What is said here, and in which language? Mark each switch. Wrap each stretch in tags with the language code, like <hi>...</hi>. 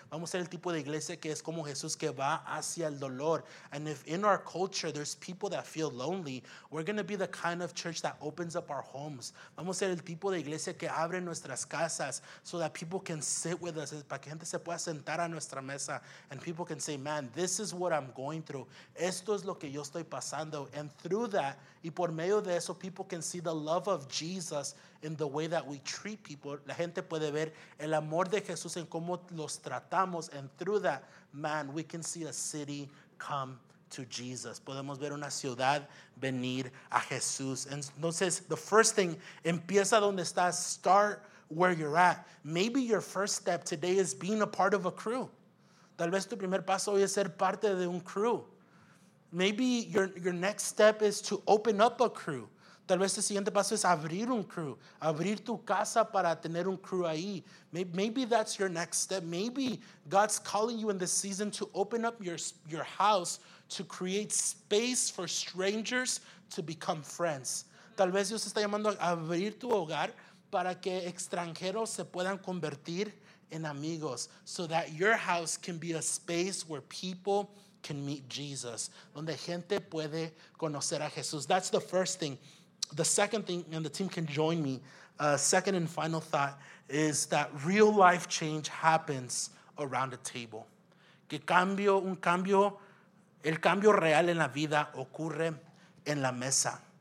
<es>Vamos a ser el tipo de iglesia que es como Jesús que va hacia el dolor.</es> <en>And if in our culture there's people that feel lonely, we're going to be the kind of church that opens up our homes.</en> <es>Vamos a ser el tipo de iglesia que abre nuestras casas</es> <en>so that people can sit with us,</en> <es>para que gente se pueda sentar a nuestra mesa,</es> <en>and people can say, man, this is what I'm going through.</en> <es>Esto es lo que yo estoy pasando.</es> <en>And through that,</en> <es>y por medio de eso,</es> <en>people can see the love of Jesus in the way that we treat people.</en> <es>La gente puede ver el amor de Jesús en cómo los tratamos.</es> <en>And through that, man, we can see a city come to Jesus.</en> <es>Podemos ver una ciudad venir a Jesús.</es> <en>And entonces, the first thing,</en> <es>empieza donde estás.</es> <en>Start where you're at. Maybe your first step today is being a part of a crew.</en> <es>Tal vez tu primer paso hoy es ser parte de un crew.</es> <en>Maybe your next step is to open up a crew.</en> <es>Tal vez el siguiente paso es abrir un crew. Abrir tu casa para tener un crew ahí.</es> <en>Maybe that's your next step. Maybe God's calling you in this season to open up your house to create space for strangers to become friends.</en> <es>Tal vez Dios está llamando a abrir tu hogar para que extranjeros se puedan convertir en amigos,</es> <en>so that your house can be a space where people can meet Jesus,</en> <es>donde gente puede conocer a Jesús.</es> <en>That's the first thing. The second thing, and the team can join me, second and final thought is that real life change happens around a table.</en> <es>Que cambio, un cambio, el cambio real en la vida ocurre en la mesa.</es>